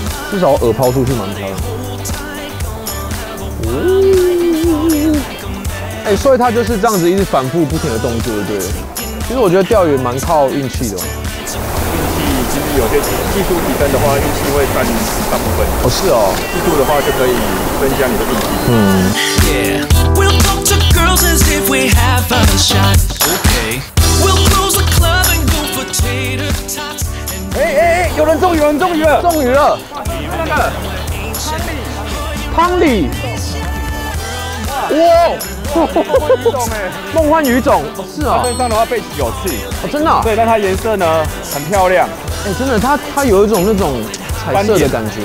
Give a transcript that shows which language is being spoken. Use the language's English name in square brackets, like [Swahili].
[Chinese] 至少饵抛出去蛮漂亮的。哎，所以它就是这样子一直反复不停的动作，对不对？其实我觉得钓鱼蛮靠运气的。运气其实有些技术提升的话，运气会占大部分。哦，是哦。技术的话就可以增加你的运气。嗯。 [English] Yeah, we'll talk to girls as if we have a shot. Okay. We'll close the club and go for tater tots. [Chinese] 哎，有人中鱼，有人中鱼了。汤里，哇，梦幻鱼种，梦幻鱼种，是啊，身上的话背鳍有刺，哦，真的，对，但它颜色呢很漂亮，哎，真的，它有一种那种彩色的感觉，